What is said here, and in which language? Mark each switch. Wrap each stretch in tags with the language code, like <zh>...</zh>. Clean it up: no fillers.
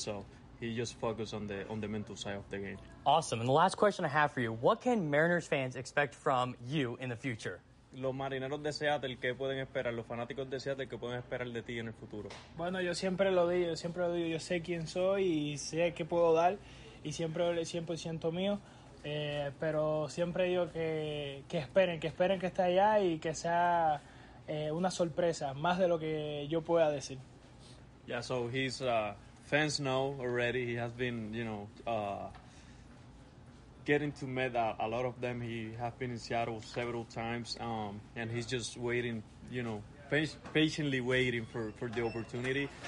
<en>So he just focused on the mental side of the game. Awesome. And the last question I have for you, what can Mariners fans expect from you in the future?</en> <es>Los marineros de Seattle, ¿qué pueden esperar? Los fanáticos de Seattle, ¿qué pueden esperar de ti en el futuro? Bueno, yo siempre lo digo, yo sé quién soy y sé qué puedo dar, y siempre doy 100% mío, pero siempre digo que esperen que esté allá y que sea una sorpresa, más de lo que yo pueda decir.</es> <en>Yeah, so his fans know already, he has been, you know, getting to meet a lot of them. He has been in Seattle several times, and he's just waiting, you know, patiently waiting for the opportunity.</en>